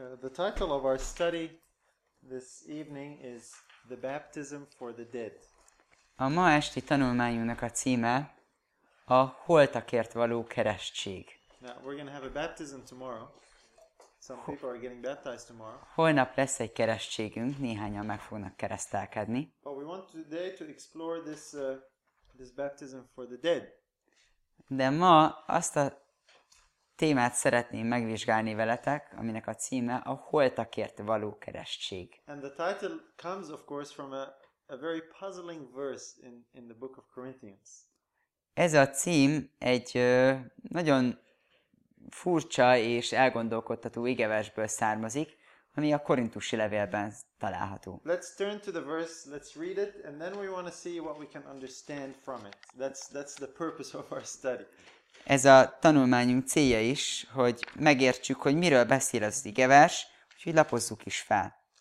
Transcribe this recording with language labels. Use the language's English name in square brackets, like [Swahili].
[English] The title of our study this evening is The Baptism for the Dead. [Hungarian] A ma esti tanulmányunknak a címe a holtakért való keresztség. [English] Now, we're going to have a baptism tomorrow. Some people are getting baptized tomorrow. [Hungarian] Holnap lesz egy keresztségünk, néhányan meg fognak keresztelkedni. [English] But we want today to explore this baptism for the dead. [Hungarian] De ma azt a témát szeretném megvizsgálni veletek, aminek a címe a holtakért való keresztség. [English] And the title comes of course from a very puzzling verse in the book of Corinthians. [Hungarian] Ez a cím egy nagyon furcsa és elgondolkodtató igeversből származik, ami a korintusi levélben található. [English] Let's turn to the verse, let's read it, and then we want to see what we can understand from it. That's the purpose of our study. [Hungarian] Ez a tanulmányunk célja is, hogy megértsük, hogy miről beszél az igevers, úgyhogy lapozzuk is fel.